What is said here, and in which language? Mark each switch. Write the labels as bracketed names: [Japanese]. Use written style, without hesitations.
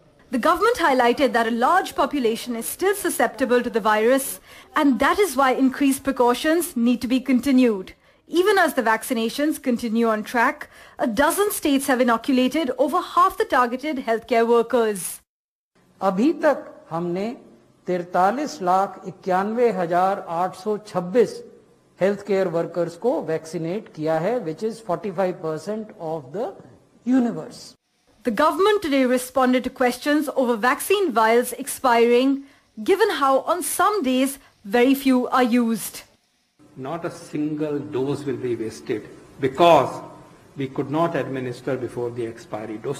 [English] The government highlighted that a large population is still susceptible to the virus, and that is why increased precautions need to be continued. Even as the vaccinations continue on track, a dozen states have inoculated over half the targeted healthcare workers. [Hindi] अभी तक हमने 43,91,826 health care workers को vaccinate किया है, [English] which is 45% of the universe. The government today responded to questions over vaccine vials expiring, given how on some days very few are used. not a single dose will be wasted because we could not administer before the expiry dose.